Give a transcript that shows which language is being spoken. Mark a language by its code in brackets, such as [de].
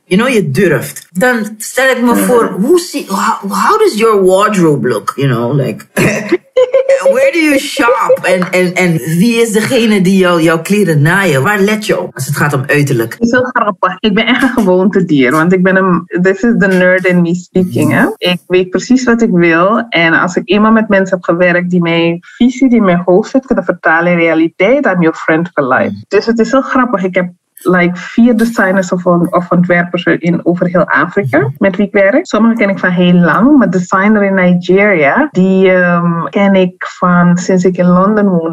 [en] You know, [nl] je durft. Dan stel ik me voor, [en] how does your wardrobe look? You know, like, where do you shop? [nl] En wie is degene die jouw kleren naaien? Waar let je op als het gaat om uiterlijk? Dat is heel grappig. Ik ben echt een gewoonte dier. Want ik ben [en] this is the nerd in me speaking. [nl] Hè? Ik weet precies wat ik wil. En als ik eenmaal met mensen heb gewerkt die mijn visie, die mijn hoofd zit, kunnen vertalen in realiteit, [en] I'm your friend for life. [nl] Dus het is heel grappig. Ik heb like 4 designers of ontwerpers in over heel Afrika met wie ik werk. Sommige ken ik van heel lang, maar designer in Nigeria, die ken ik van sinds ik in Londen woon.